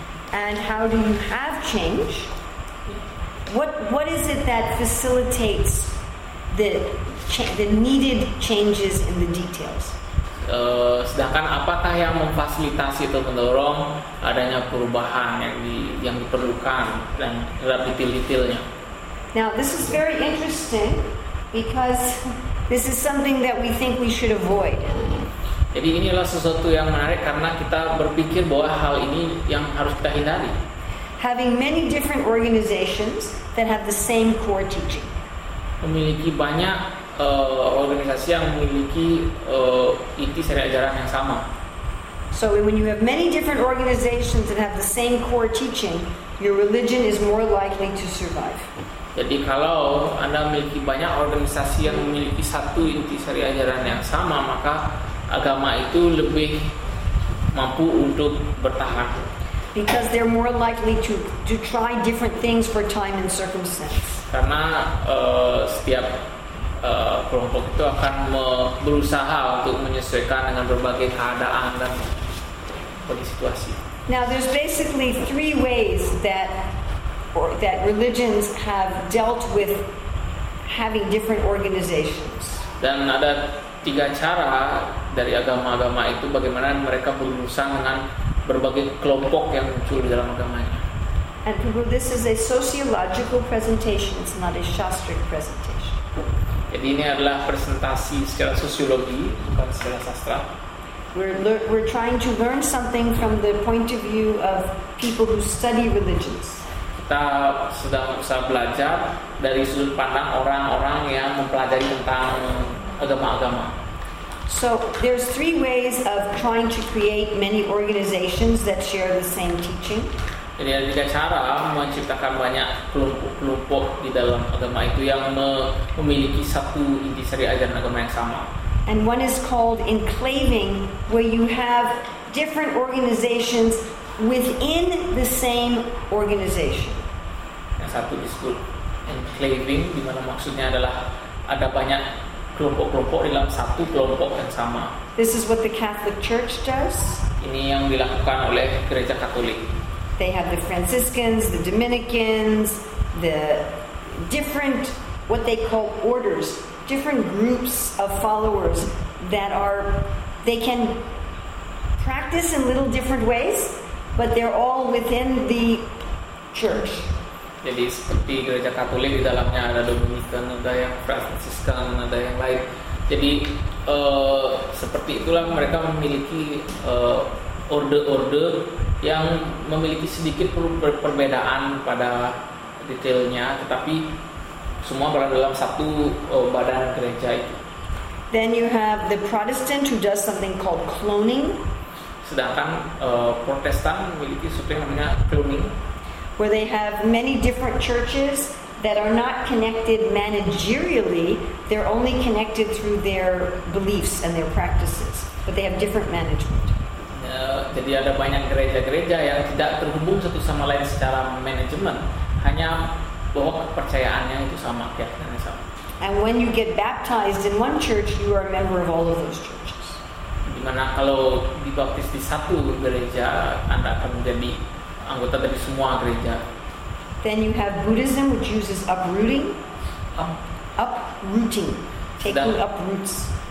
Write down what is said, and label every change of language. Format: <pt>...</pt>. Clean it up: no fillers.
<en>And how do you have change? What is it that facilitates the needed changes in the details?</en> <id>Sedangkan apakah yang memfasilitasi atau mendorong adanya perubahan yang diperlukan dan detail-detailnya?</id> <en>Now this is very interesting because this is something that we think we should avoid.</en> <id>Jadi inilah sesuatu yang menarik karena kita berpikir bahwa hal ini yang harus kita hindari.</id> <en>Having many different organizations that have the same core teaching.</en> <id>Memiliki banyak organisasi yang memiliki inti seri ajaran yang sama.</id> <en>So when you have many different organizations that have the same core teaching, your religion is more likely to survive.</en> <id>Jadi kalau Anda memiliki banyak organisasi yang memiliki satu inti seri ajaran yang sama, maka agama itu lebih mampu untuk bertahan.</id> <en>Because they're more likely to try different things for time and circumstance.</en> <id>Karena setiap kelompok itu akan berusaha untuk menyesuaikan dengan berbagai keadaan dan berbagai situasi.</id> <en>Now there's basically three ways that religions have dealt with having different organizations.</en> <id>Dan ada tiga cara dari agama-agama itu bagaimana mereka berurusan dengan berbagai kelompok yang muncul di dalam agamanya.</id> <en>And this is a sociological presentation, it's not a shastric presentation.</en> <id>Jadi ini adalah presentasi secara sosiologi, bukan secara sastra.</id> <en>We're trying to learn something from the point of view of people who study religions.</en> <id>Kita sedang usaha belajar dari sudut pandang orang-orang yang mempelajari tentang agama-agama.</id> <en>So there's three ways of trying to create many organizations that share the same teaching.</en> <id>Jadi ada tiga cara menciptakan banyak kelompok-kelompok di dalam agama itu yang memiliki satu inti seri ajaran agama yang sama.</id> <en>And one is called enclaving, where you have different organizations within the same organization.</en> <id>Yang satu disebut enclaving, di mana maksudnya adalah ada banyak kelompok-kelompok dalam satu kelompok yang sama.</id> <en>This is what the Catholic Church does.</en> <id>Ini yang dilakukan oleh Gereja Katolik.</id> <en>They have the Franciscans, the Dominicans, the different, what they call orders, different groups of followers that are They can practice in little different ways, but they're all within the church.</en> <id>Jadi seperti gereja Katolik di dalamnya ada Dominikan, ada yang Fransiskan, ada yang lain. Jadi seperti itulah mereka memiliki orde-orde yang memiliki sedikit perbedaan pada detailnya, tetapi semua berada dalam satu badan gereja itu.</id> <en>Then you have the Protestant who does something called cloning.</en> <id>Sedangkan Protestan memiliki sesuatu yang namanya cloning.</id> <en>Where they have many different churches that are not connected managerially, they're only connected through their beliefs and their practices, but they have different management.</en> <id>Jadi ada banyak gereja-gereja yang tidak terhubung satu sama lain secara manajemen, hanya bahwa kepercayaannya itu sama, keyakinannya sama.</id> <en>And when you get baptized in one church, you are a member of all of those churches.</en> <id>Dimana kalau dibaptis di satu gereja, Anda akan menjadi anggota dari semua gereja.</id> <en>Then you have Buddhism, which uses uprooting. Uprooting, taking up roots.</en>